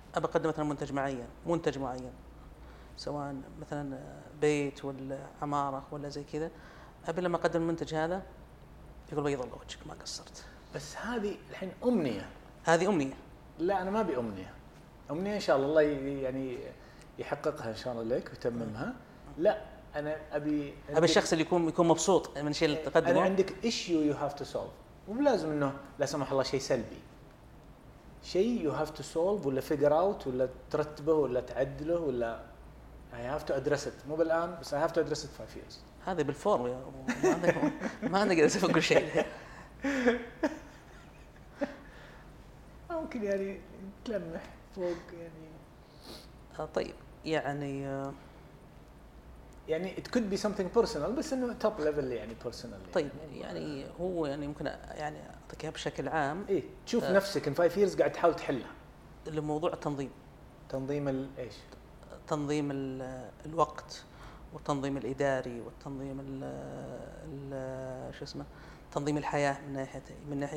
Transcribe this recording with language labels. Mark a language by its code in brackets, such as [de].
[ar] ابي اقدم مثلا منتج معين منتج معين سواء مثلا بيت ولا عماره ولا زي كذا ابي لما اقدم المنتج هذا يقول بيض الله وجهك ما قصرت بس هذه الحين امنيه هذه امنيه لا انا ما ابي امنيه امنيه ان شاء الله يعني يحققها ان شاء الله لك وتممها لا انا ابي الشخص اللي يكون مبسوط من الشيء اللي تقدمه عندك [en] issue you have to solve [ar] مو لازم انه لا سمح الله شيء سلبي شيء [en] you have to solve ولا figure out [ar] ولا ترتبه ولا تعدله ولا [en] I have to address it [ar] مو بالان بس [en] I have to address it 5 years [ar] هذا بالفورم يا ابو ما نقدر نسوي كل شيء ممكن يعني تلمح فوق يعني طيب يعني يعني [en] it could be something personal [ar] بس انه [en] top level [ar] يعني personal يعني طيب يعني هو يعني ممكن يعني اعطيها بشكل عام ايه تشوف نفسك ان 5 years قاعد تحاول تحلها لموضوع التنظيم تنظيم الايش تنظيم الوقت والتنظيم الاداري والتنظيم ال شو اسمه تنظيم الحياه من ناحيه